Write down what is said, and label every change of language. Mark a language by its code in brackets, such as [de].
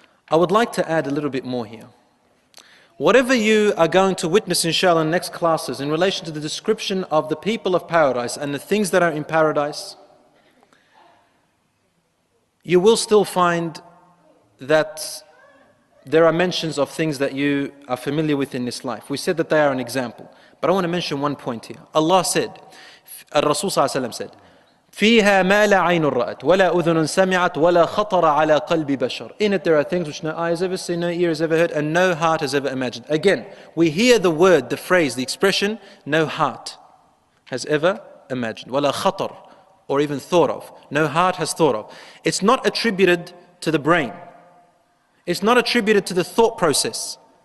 [en] I would like to add a little bit more here. Whatever you are going to witness, inshallah, in next classes, in relation to the description of the people of paradise and the things that are in paradise, you will still find that there are mentions of things that you are familiar with in this life. We said that they are an example. But I want to mention one point here. Allah said, Rasul [ar] صلى الله عليه وسلم said, فِيهَا مَا لَا عَيْنُ رَأَتْ وَلَا أُذُنٌ سَمِعَتْ وَلَا خَطَرَ عَلَى قَلْبِ بَشَرٍ. [en] In it there are things which no eye has ever seen, no ear has ever heard, and no heart has ever imagined. Again, we hear the word, the phrase, the expression, no heart has ever imagined. [ar] وَلَا خَطَرَ, [en] or even thought of. No heart has thought of. It's not attributed to the brain. It's not attributed to the thought process.